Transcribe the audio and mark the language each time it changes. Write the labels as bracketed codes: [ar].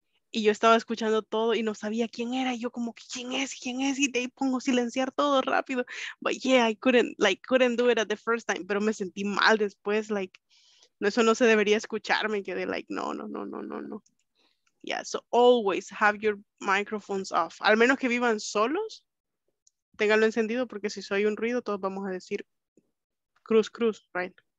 [es] Y yo estaba escuchando todo y no sabía quién era. Y yo como, ¿quién es? Y de ahí pongo silenciar todo rápido. [en] But yeah, I couldn't do it at the first time. [es] Pero me sentí mal después, like, no, eso no se debería escuchar. Me quedé like, no. [en] Yeah, so always have your microphones off. [es] Al menos que vivan solos, ténganlo encendido, porque si soy un ruido, todos vamos a decir cruz, right?